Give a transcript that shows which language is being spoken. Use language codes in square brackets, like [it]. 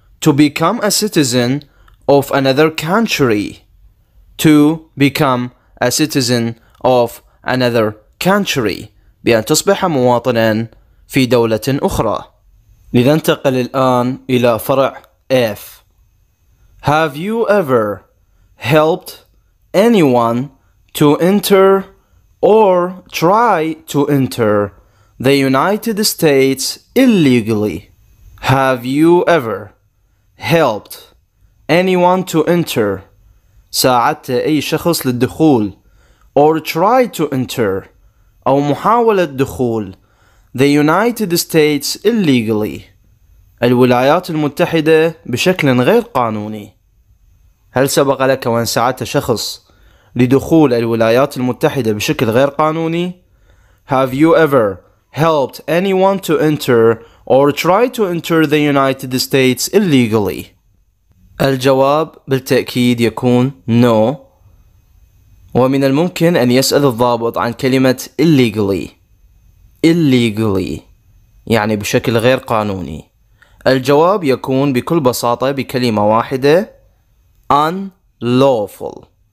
[en] To become a citizen of another country. To become a citizen of another country. [ar] بأن تصبح مواطنا في دولة أخرى. لننتقل الآن إلى فرع F. [en] Have you ever helped anyone to enter or try to enter the United States illegally? Have you ever helped anyone to enter? [ar] ساعدت أي شخص للدخول [en] or try to enter [ar] أو محاولة دخول [en] the United States illegally [ar] الولايات المتحدة بشكل غير قانوني. هل سبق لك وأن ساعدت شخص لدخول الولايات المتحدة بشكل غير قانوني؟ [en] Have you ever helped anyone to enter or try to enter the United States illegally؟ [ar] الجواب بالتأكيد يكون no. ومن الممكن أن يسأل الضابط عن كلمة illegally. Illegally يعني بشكل غير قانوني. الجواب يكون بكل بساطة بكلمة واحدة unlawful.